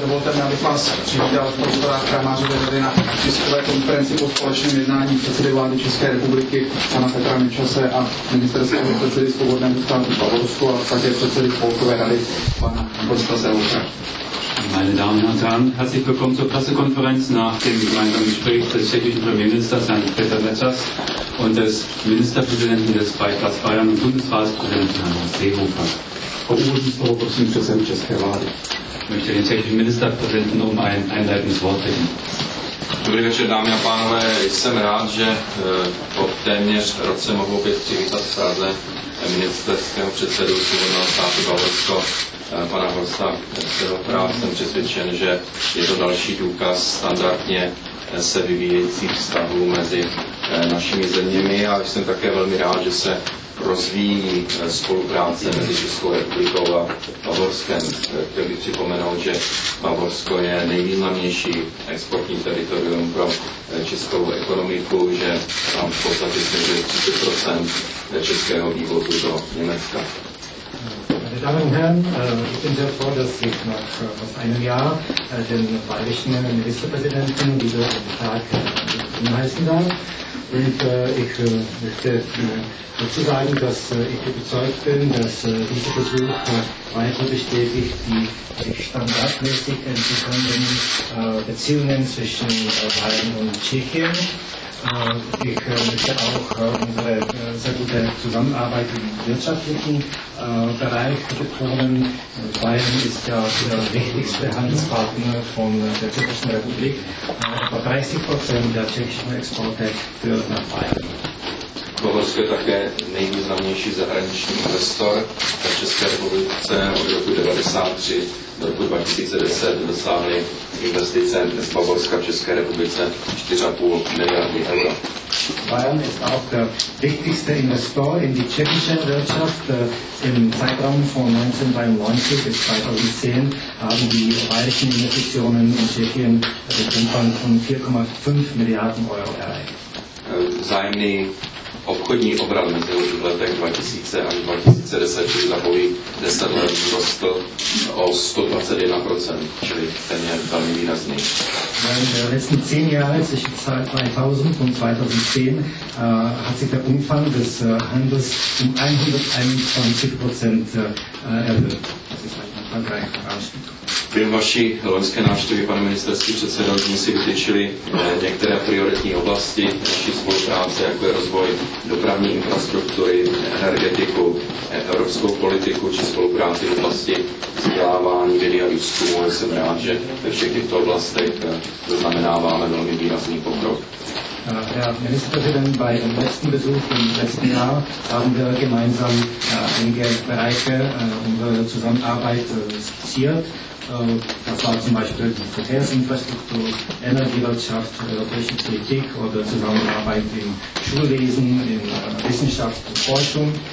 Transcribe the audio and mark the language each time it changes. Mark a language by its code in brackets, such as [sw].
[cs] Dovolte mi, abych vás přivítal v prostorách kramářové rady na tiskové konferenci po společném jednání předsedy vlády České republiky pana Petra Nečase a ministerského předsedy Svobodného státu Bavorsko a také předsedy spolkové rady pana Gosta Zeluša. [de] Meine Damen und Herren, herzlich willkommen zur Pressekonferenz nach dem gemeinsamen Gespräch des tschechischen Premierministers Herrn Peter Nečas und des Ministerpräsidenten des Beitrags Bayern und Bundesratspräsidenten Herrn Seehofer. Frau Ministerin, [cs] prosím, předsedu České vlády. [de] Ich möchte den tschechischen Ministerpräsidenten um ein einleitendes Wort bitten. [cs] Dobrý večer, dámy a pánové, jsem rád, že po téměř roce mohu být přivítat v Praze ministerského předsedu Svobodného státu Bavorsko, pana Horsta Seehofera. Jsem přesvědčen, že je to další důkaz standardně se vyvíjejících vztahů mezi našimi zeměmi a jsem také velmi rád, že se rozvíjí spolupráce mezi Českou republikou a Bavorskem. Chtěl bych připomenout, že Bavorsko je nejvýznamnější exportní teritorium pro českou ekonomiku, že tam v podstatě se je 30% českého vývozu do Německa. [de] Meine Damen und Herren, ich bin sehr froh, dass ich nach fast einem Jahr den bayerischen Ministerpräsidenten wieder am Tag hinheißen darf. Und ich möchte dazu sagen, dass ich überzeugt bin, dass dieser Versuch weiter bestätigt die sich standardmäßig entwickelnden Beziehungen zwischen Bayern und Tschechien. Ich möchte auch unsere sehr gute Zusammenarbeit im wirtschaftlichen Bereich betonen. Bayern ist ja der wichtigste Handelspartner von der Tschechischen Republik. Etwa 30% der tschechischen Exporte führt nach Bayern. [cs] Bavorsko je také nejvýznamnější zahraniční investor. V České republice od roku 1993 do roku 2010 dosáhly investice z Bavorska v České republice 4,5 miliardy euro. [de] Bayern ist auch der wichtigste Investor in die tschechische Wirtschaft. Im Zeitraum von 1993 bis 2010 haben die bayerischen Investitionen in Tschechien den Umfang von 4,5 Milliarden Euro erreicht. [cs] Zájemný obchodní obrat mezi letech 2000 až 2010 čili za pouhých 10 let vzrostl o 121%, čili ten je velmi výrazný. V letních [de] 10 Jahre zwischen 2000 und 2010 hat sich der Umfang des Handels um 121% erhöht. Das ist ein erfolgreicher Anstieg. [cs] Během vaší loňské návštěvy, pane ministerský předsedo, jsme si vytyčili některé prioritní oblasti naší spolupráce, jako je rozvoj dopravní infrastruktury, energetiku, evropskou politiku či spolupráci v oblasti vzdělávání, vědy a výzkumu. Jsem rád, že ve všech těchto oblastech zaznamenáváme velmi výrazný pokrok. [de] Herr Ministerpräsident, bei dem letzten Besuch im letzten Jahr haben wir gemeinsam einige Bereiche unserer Zusammenarbeit skizziert. Das war zum Beispiel die Verkehrsinfrastruktur, Energiewirtschaft, europäische Politik oder Zusammenarbeit im Schulwesen, in Wissenschaft und Forschung.